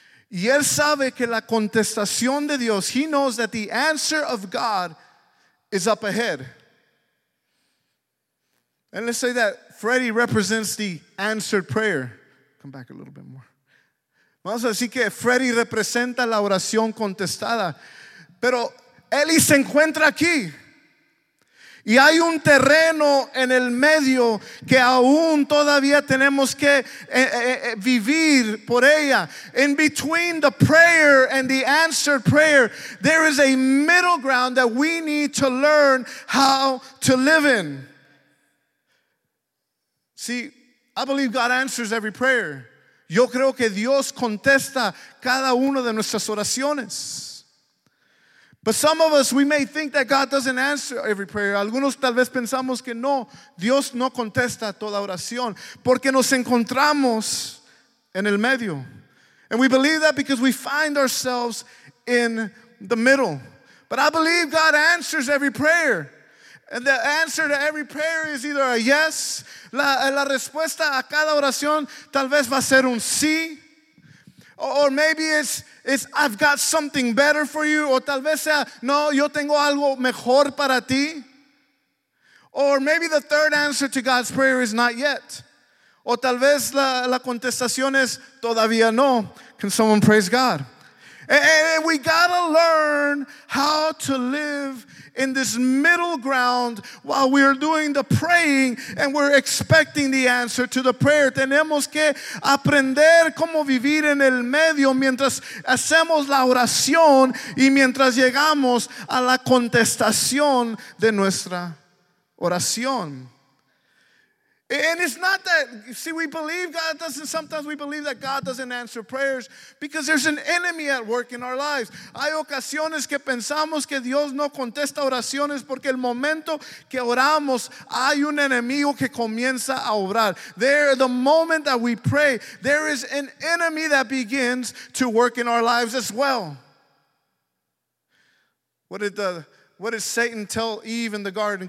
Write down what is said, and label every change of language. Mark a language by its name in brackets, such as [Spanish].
[Spanish] Y él sabe que la contestación de Dios, [English] he knows that the answer of God is up ahead. And let's say that Freddie represents the answered prayer. Come back a little bit more. [Spanish] Vamos a decir que Freddie representa la oración contestada. Pero Eli se encuentra aquí. Y hay un terreno en el medio que aún todavía tenemos que vivir por ella. [English] In between the prayer and the answered prayer, there is a middle ground that we need to learn how to live in. See, I believe God answers every prayer. [Spanish] Yo creo que Dios contesta cada una de nuestras oraciones. [English] But some of us, we may think that God doesn't answer every prayer. [Spanish] Algunos tal vez pensamos que no, Dios no contesta toda oración. Porque nos encontramos en el medio. [English] And we believe that because we find ourselves in the middle. But I believe God answers every prayer. And the answer to every prayer is either a yes. [Spanish] La respuesta a cada oración tal vez va a ser un sí. [English] Or maybe it's I've got something better for you. [Spanish] O tal vez sea, no, yo tengo algo mejor para ti. [English] Or maybe the third answer to God's prayer is not yet. [Spanish] O tal vez la contestación es todavía no. [English] Can someone praise God? And we gotta learn how to live in this middle ground while we are doing the praying and we're expecting the answer to the prayer. [Spanish] Tenemos que aprender cómo vivir en el medio mientras hacemos la oración y mientras llegamos a la contestación de nuestra oración. [English] And it's not that, see, we believe God doesn't, sometimes we believe that God doesn't answer prayers because there's an enemy at work in our lives. [Spanish] Hay ocasiones que pensamos que Dios no contesta oraciones porque el momento que oramos, hay un enemigo que comienza a obrar. [English] There, the moment that we pray, there is an enemy that begins to work in our lives as well. What did Satan tell Eve in the garden?